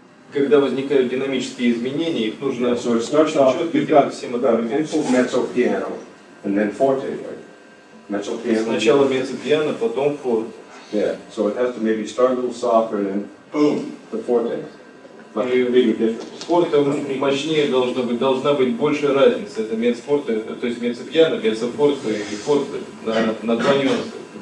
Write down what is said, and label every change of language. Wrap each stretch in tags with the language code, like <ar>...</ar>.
<ru>Когда возникают динамические изменения, их нужно.</ru> <en>So it starts off. You've got simple mezzo piano, and then forte, right? Mezzo piano.</en> <ru>Сначала mezzo piano, потом forte.</ru> <en>Yeah. So it has to maybe start a little softer, and then boom, the forte.</en> <ru>Форте мощнее должна быть большая разница. Это мецфорте, то есть мецфьяно, мецфорте и форте на два нюанса.</ru>